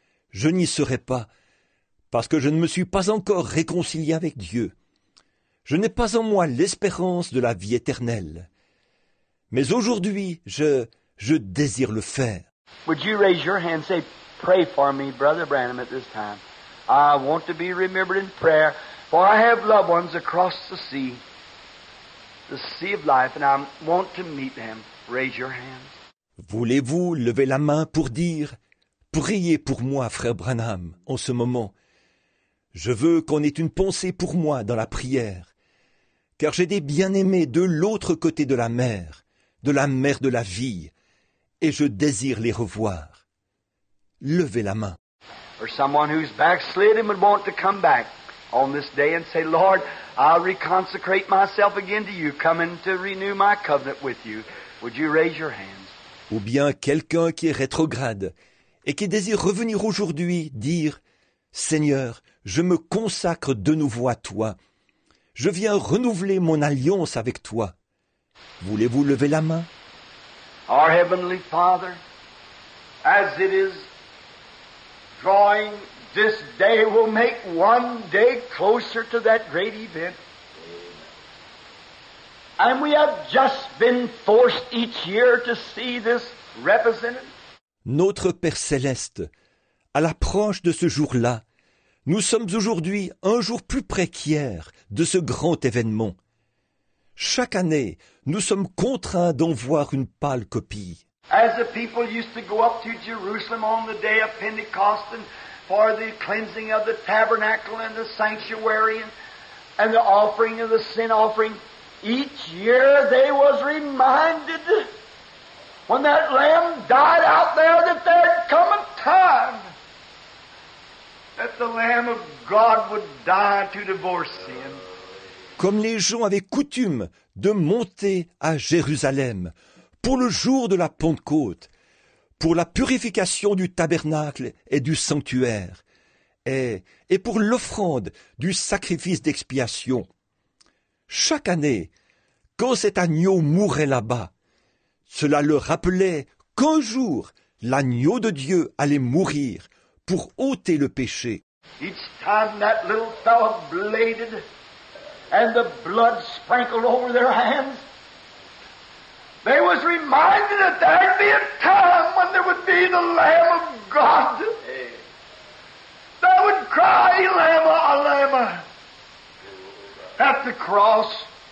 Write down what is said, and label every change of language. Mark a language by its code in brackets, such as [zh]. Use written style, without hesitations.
[fr] Je n'y serai pas, parce que je ne me suis pas encore réconcilié avec Dieu. Je n'ai pas en moi l'espérance de la vie éternelle. Mais aujourd'hui, je désire le faire. [en] Would you raise your hand and say, pray for me, Brother Branham, at this time. I want to be remembered in prayer, for I have loved ones across the sea of life, and I want to meet them. Raise your hand. [fr] Voulez-vous lever la main pour dire, priez pour moi, frère Branham, en ce moment. Je veux qu'on ait une pensée pour moi dans la prière, car j'ai des bien-aimés de l'autre côté de la mer de la vie, et je désire les revoir. Levez la main. [en] Or someone who's backslid and would want to come back on this day and say, Lord, I'll reconsecrate myself again to you, coming to renew my covenant with you. Would you raise your hands? [fr] Ou bien quelqu'un qui est rétrograde et qui désire revenir aujourd'hui dire, Seigneur, je me consacre de nouveau à toi. Je viens renouveler mon alliance avec toi. Voulez-vous lever la main? [en] Our Heavenly Father, as it is drawing, this day will make one day closer to that great event. And we have just been forced each year to see this represented. [fr] Notre Père Céleste, à l'approche de ce jour-là, nous sommes aujourd'hui un jour plus près qu'hier de ce grand événement. Chaque année, nous sommes contraints d'en voir une pâle copie. [en] As the people used to go up to Jerusalem on the day of Pentecost and for the cleansing of the tabernacle and the sanctuary and the offering of the sin offering, each year they was reminded when that lamb died out there that there had come a time that the Lamb of God would die to divorce sin. [fr] Comme les gens avaient coutume de monter à Jérusalem pour le jour de la Pentecôte, pour la purification du tabernacle et du sanctuaire, et pour l'offrande du sacrifice d'expiation. Chaque année, quand cet agneau mourait là-bas, cela leur rappelait qu'un jour, l'agneau de Dieu allait mourir pour ôter le péché. [en] Each time that little fellow bladed and the blood sprinkled over their hands, they was reminded that there'd be a time when there would be the Lamb of God. They would cry, Lama, Lama, at the cross.